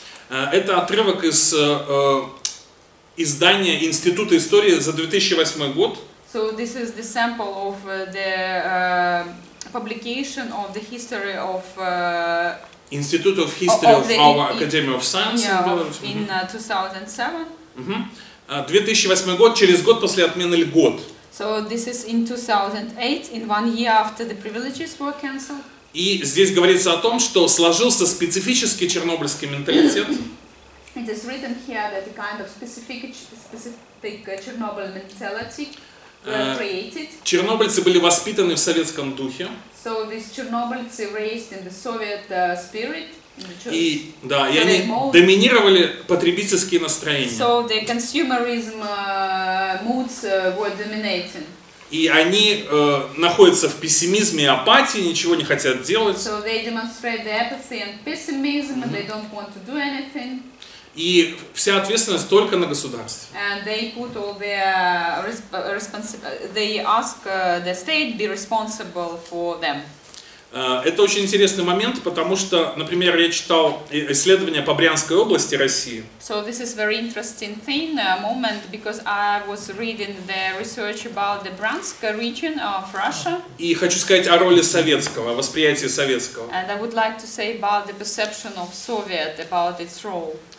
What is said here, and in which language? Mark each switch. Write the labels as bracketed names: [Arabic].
[Russian] Это отрывок из издания Института истории за 2008 год. [English] So this is the sample of the publication of the history of Institute of History of our Academy of Science in 2007. [Russian] 2008 год, через год после отмены льгот. [English] So this is in 2008, in one year after the privileges were cancelled. [Russian] И здесь говорится о том, что сложился специфический чернобыльский менталитет. [English] It is written here that a kind of specific Chernobyl mentality created. [Russian] Чернобыльцы были воспитаны в советском духе. [English] So these Chernobyls raised in the Soviet spirit. [Russian] И да, и они доминировали потребительские настроения. [English] So the consumerism moods were dominating. [Russian] И они находятся в пессимизме и апатии, ничего не хотят делать. [English] So they demonstrate the apathy and pessimism, and they don't want to do anything. [Russian] И вся ответственность только на государстве. [English] And they put all their they ask the state be responsible for them. [Russian] Это очень интересный момент, потому что, например, я читал исследования по Брянской области России. [English] So this is very interesting thing, moment, because I was reading the research about the Bransk region of Russia. [Russian] И хочу сказать о роли советского, о восприятии советского. [English] And I would like to say about the perception of Soviet, about its role.